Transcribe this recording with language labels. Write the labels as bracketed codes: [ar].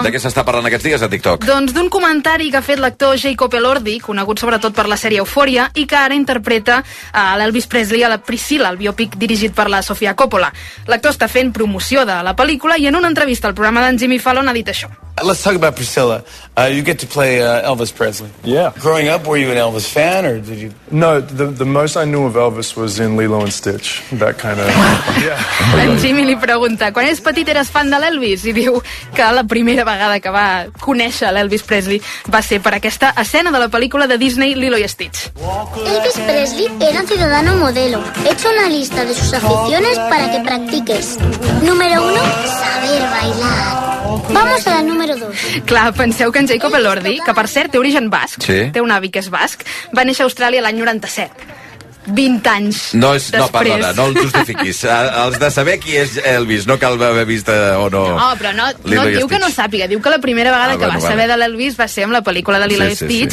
[ca] De què s'està parlant aquests dies a TikTok? Doncs d'un comentari que ha fet l'actor Jacob Elordi, conegut sobretot per la sèrie Eufòria, i que ara interpreta a l'Elvis Presley a la Priscilla, el biopic dirigit per la Sofia Coppola. L'actor està fent promoció de la pel·lícula i en una entrevista al programa d'en Jimmy Fallon ha dit això. [en] Let's talk about Priscilla. You get to play Elvis Presley. Yeah. Growing up, were you an Elvis fan or did you... No, the most I knew of Elvis was in Lilo and Stitch. That kind of... Yeah. [ca] En Jimmy li pregunta, quan és petit eres fan de l'Elvis? I diu que la primera vegada que va conèixer l'Elvis Presley va ser per aquesta escena de la pel·lícula de Disney, Lilo i Stitch. [es] Elvis Presley era ciudadano modelo. He hecho una lista de sus aficiones para que practiques. Número uno, saber bailar. Vamos a la número 2. [ca] Clar, penseu que en Jacob Elordi, que per cert té origen basc, sí, té un avi que és basc, va néixer a Austràlia l'any 97. 20 anys no és, després. No, perdona, no el justifiquis. Els de saber qui és Elvis, no cal haver vist o no... No, però no diu que no sàpiga, diu que la primera vegada saber de l'Elvis va ser amb la pel·lícula de Lilo Stitch,